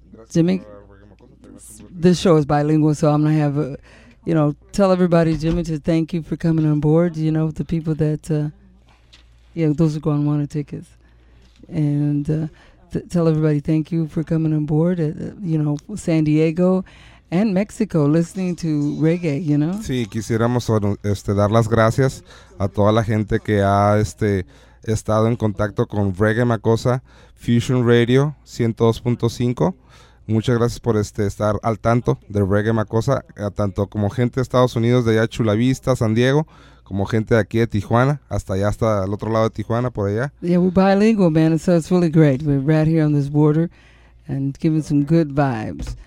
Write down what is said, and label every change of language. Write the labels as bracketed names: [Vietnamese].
[English] Jimmy, this show is bilingual, so I'm going to have tell everybody, Jimmy, to thank you for coming on board. You know, the people that, those are Gondwana tickets. And tell everybody thank you for coming on board, San Diego and Mexico, listening to reggae, [Spanish] Sí, quisiéramos dar las gracias a toda la gente que ha estado en contacto con Reggae Makossa, Fusion Radio 102.5. Muchas gracias por estar al tanto de Reggae Makossa, tanto como gente de Estados Unidos, de allá Chula Vista, San Diego, como gente de aquí de Tijuana, hasta allá, hasta el otro lado de Tijuana, por allá. [English] Yeah, we're bilingual, man, so it's really great. We're right here on this border and giving some good vibes.